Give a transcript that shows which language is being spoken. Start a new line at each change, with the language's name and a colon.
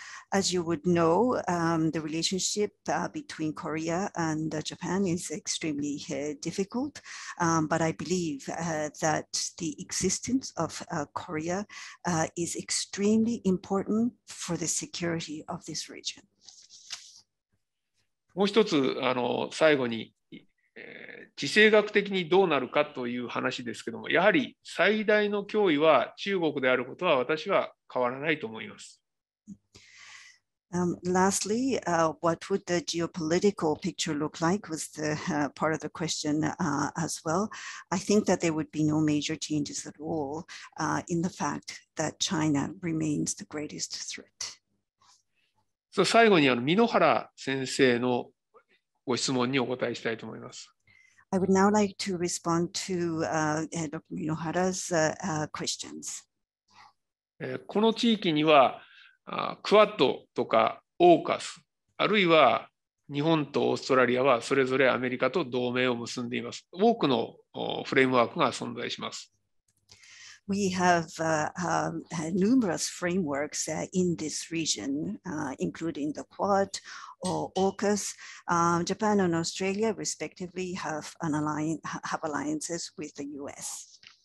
English: As you would know, the relationship between Korea and Japan is extremely difficult, but I believe that the existence of Korea is extremely important for the security of this region.
Japanese: もう一つ、最後に、地政学的にどうなるかという話ですけども、やはり最大の脅威は中国であることは私は変わらないと思います。
English: Lastly, what would the geopolitical picture look like was the part of the question as well. I think that there would be no major changes at all in the fact that China remains the greatest threat.
Japanese: So, 最後に箕原先生のご質問にお答えしたいと思います。
English: I would now like to respond to Dr. Minohara's questions.
Japanese: この地域にはクワッドとかオーカス、あるいは日本とオーストラリアはそれぞれアメリカと同盟を結んでいます。多くのフレームワークが存在します。
English: We have numerous frameworks in this region, including the Quad or AUKUS. Japan and Australia respectively have alliances with the US.